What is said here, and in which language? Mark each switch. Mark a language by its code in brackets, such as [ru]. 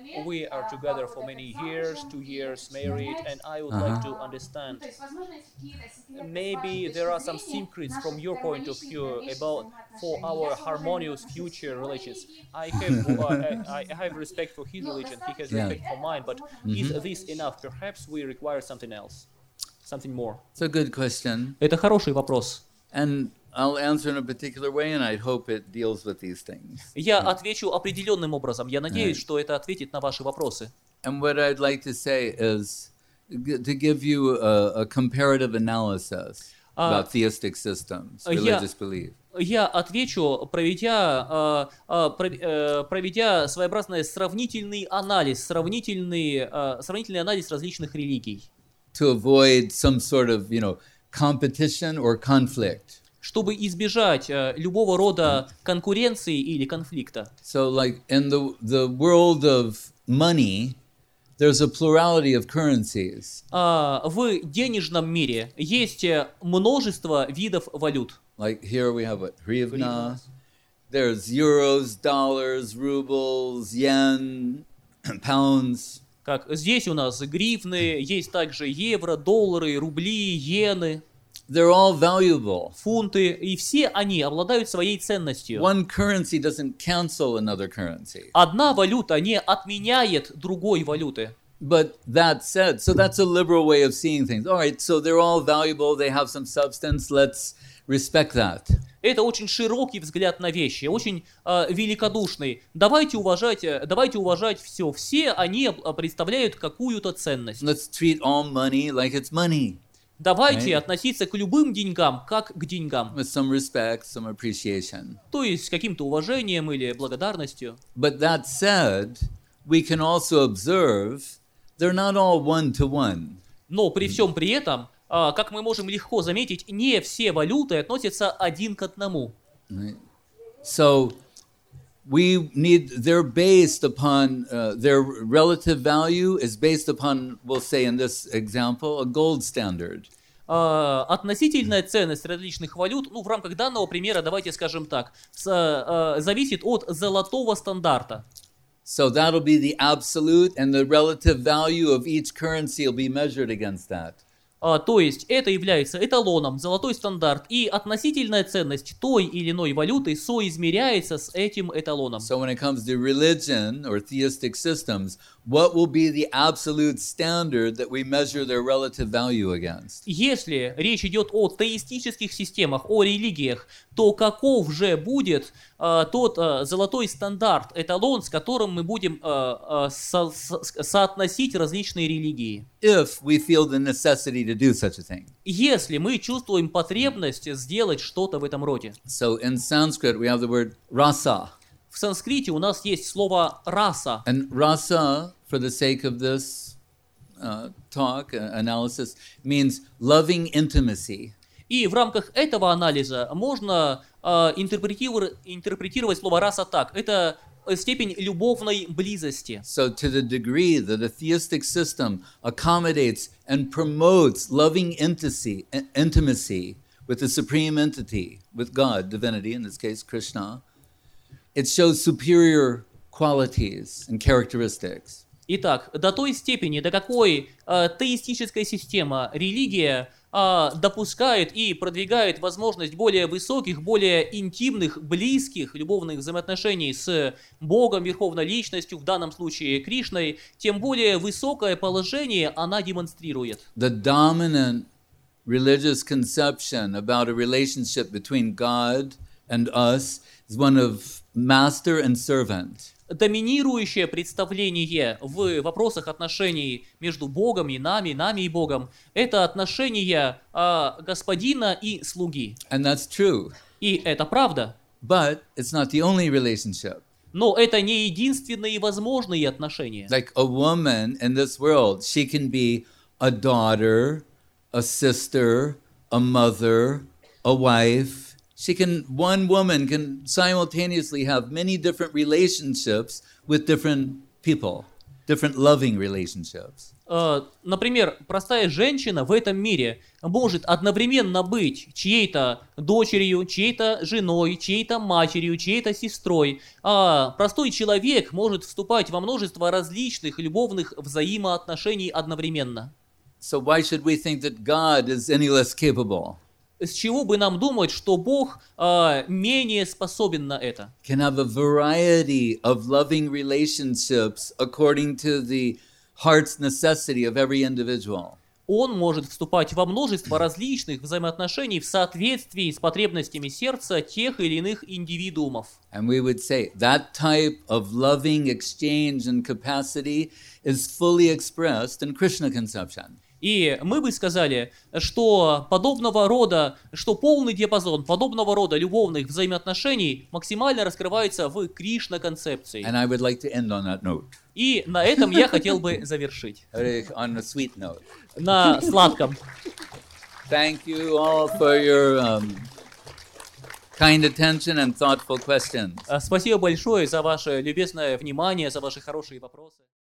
[en] We are together for many years, 2 years married, and I would like to understand, maybe there are some secrets from your point of view about for our harmonious future relations. I have I have respect for his religion, he has respect for mine, but is this enough? Perhaps we require something else, something more. It's a good question. [ru] Это хороший вопрос. [en] And I'll answer in a particular way, and I hope it deals with these things. [ru] Я отвечу определенным образом. Я надеюсь, что это ответит на ваши вопросы. [en] And what I'd like to say is to give you a comparative analysis about theistic systems, religious belief. [ru] Я отвечу, проведя своеобразный сравнительный анализ, сравнительный анализ различных религий. [en] To avoid some sort of, you know, competition or conflict. [ru] Чтобы избежать любого рода конкуренции или конфликта. [en] So, like in the world of money, there's a plurality of currencies. [ru] В денежном мире есть множество видов валют. [en] Like here we have what? Hryvnia. There's euros, dollars, rubles, yen, pounds. [ru] Как здесь у нас гривны, есть также евро, доллары, рубли, иены. [en] They're all valuable. [ru] Фунты, и все они обладают своей ценностью. [en] One currency doesn't cancel another currency. [ru] Одна валюта не отменяет другой валюты. [en] But that said, so that's a liberal way of seeing things. All right, so they're all valuable, they have some substance, let's respect that. [ru] Это очень широкий взгляд на вещи, очень великодушный. Давайте уважать все. Все они представляют какую-то ценность. [en] Let's treat all money like it's money. [ru] Давайте относиться к любым деньгам, как к деньгам. [en] With some respect, some appreciation. [ru] То есть с каким-то уважением или благодарностью. [en] But that said, we can also observe they're not all one-to-one. [ru] Но при всем при этом, как мы можем легко заметить, не все валюты относятся один к одному. [en] So we need, they're based upon, their relative value is based upon, we'll say in this example, a gold standard. [ru] Относительная ценность различных валют, ну, в рамках данного примера, давайте скажем так, зависит от золотого стандарта. [en] So that'll be the absolute, and the relative value of each currency will be measured against that. [ru] То есть это является эталоном, золотой стандарт, и относительная ценность той или иной валюты соизмеряется с этим эталоном. [en] So when it comes to religion or theistic systems, what will be the absolute standard that we measure their relative value against? [ru] Если речь идет о теистических системах, о религиях, то каков же будет тот золотой стандарт, эталон, с которым мы будем соотносить различные религии? [en] If we feel the necessity to do such a thing. [ru] Если мы чувствуем потребность сделать что-то в этом роде. [en] So in Sanskrit we have the word rasa. [ru] В санскрите у нас есть слово раса. [en] And rasa, for the sake of this talk, analysis, means loving intimacy. [ru] И в рамках этого анализа можно интерпретировать слово раса так. Это степень любовной близости. [en] So to the degree that a theistic system accommodates and promotes loving intimacy with the supreme entity, with God, divinity, in this case Krishna, it shows superior qualities and characteristics. [ru] Итак, до той степени, до какой теистическая система, религия допускает и продвигает возможность более высоких, более интимных, близких любовных взаимоотношений с Богом, Верховной Личностью, в данном случае Кришной, тем более высокое положение она демонстрирует. [en] The dominant religious conception about a relationship between God and us is one of master and servant. [ru] Доминирующее представление в вопросах отношений между Богом и нами, нами и Богом, это отношение господина и слуги. [en] And that's true. [ru] И это правда. [en] But it's not the only relationship. [ru] Но это не единственные возможные отношения. [en] Like a woman in this world, she can be a daughter, a sister, a mother, a wife. She can, one woman can simultaneously have many different relationships with different people, different loving relationships. [ru] Например, простая женщина в этом мире может одновременно быть чьей-то дочерью, чьей-то женой, чьей-то матерью, чьей-то сестрой. А простой человек может вступать во множество различных любовных взаимоотношений одновременно. [en] So why should we think that God is any less capable? [ru] С чего бы нам думать, что Бог менее способен на это? [en] Can have a variety of loving relationships according to the heart's necessity of every individual. [ru] Он может вступать во множество различных взаимоотношений в соответствии с потребностями сердца тех или иных индивидуумов. [en] And we would say that type of loving exchange and capacity is fully expressed in Krishna conception. [ru] И мы бы сказали, что подобного рода, что полный диапазон подобного рода любовных взаимоотношений максимально раскрывается в Кришна-концепции. [en] And I would like to end on that note. [ru] И на этом я хотел бы завершить. [en] On a sweet note. [ru] На сладком. [en] Thank you all for your kind attention and thoughtful questions. [ru] Спасибо большое за ваше любезное внимание, за ваши хорошие вопросы.